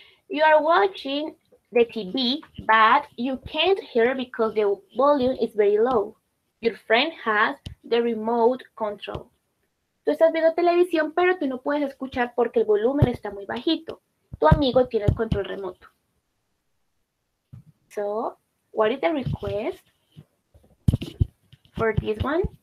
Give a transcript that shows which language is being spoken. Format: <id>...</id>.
<en>You are watching the TV, but you can't hear because the volume is very low. Your friend has the remote control.</en> <es>Tú estás viendo televisión, pero tú no puedes escuchar porque el volumen está muy bajito. Tu amigo tiene el control remoto.</es> <en>So, what is the request for this one?</en>